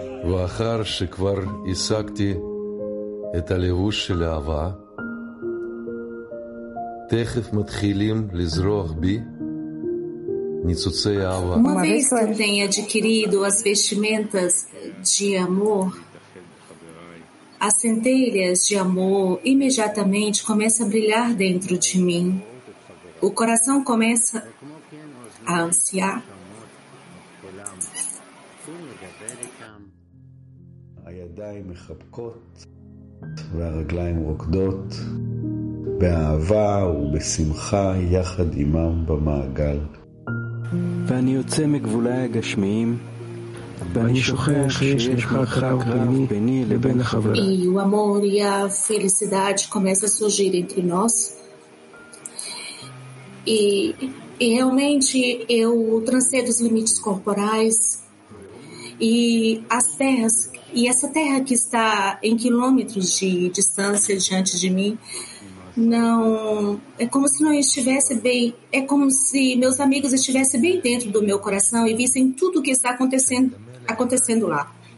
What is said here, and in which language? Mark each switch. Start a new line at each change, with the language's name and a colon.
Hebrew: ואחר שכבר השגתי את הלבוש של אהבה, תכף מתחילים לזרוח בי ניצוצי אהבה.
Portuguese: Uma vez que eu tenha adquirido as vestimentas de amor, as centelhas de amor, imediatamente começa a brilhar dentro de mim. O coração começa a ansiar.
Hebrew: הידיים מחבקות והרגליים רוקדות באהבה ובשמחה יחד עמם במעגל. ואני יוצא מגבולי הגשמיים ואני שוכח שיש מרחק רב ביני לבין החברה.
Portuguese: E o amor e a felicidade começa a surgir entre nós. E realmente eu transcendo os limites corporais e as terras. E essa terra que está em quilômetros de distância diante de mim, não, é como se não estivesse bem, é como se meus amigos estivessem bem dentro do meu coração e vissem tudo o que está acontecendo lá.